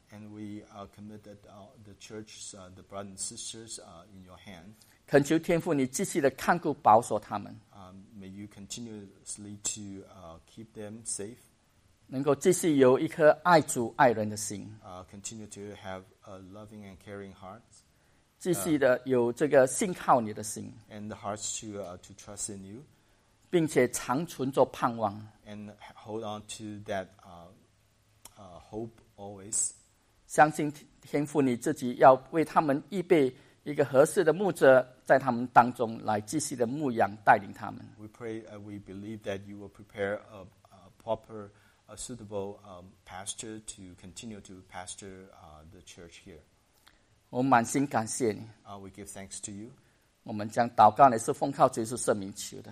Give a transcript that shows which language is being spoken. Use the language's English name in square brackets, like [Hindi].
[English] And we committed the church, the brothers and sisters in your hand. [Chinese] 恳求天父你继续的看顾保守他们。 [English] May you continuously to keep them safe. [Chinese] 能够继续有一颗爱主爱人的心。 [English] Continue to have a loving and caring heart. [Chinese] 继续的有这个信靠你的心。 [English] And the hearts to trust in you. [Chinese] 并且长存着盼望。 [English] And hold on to that hope always. [Chinese] 相信天父你自己要为他们预备一个合适的牧者在他们当中来继续的牧养带领他们。 [English] We pray, we believe that you will prepare a proper, a suitable pastor to continue to pastor the church here. [Chinese] 我满心感谢你。 [English] We give thanks to you. [Chinese] 我们将祷告乃是奉靠主耶稣圣名求的。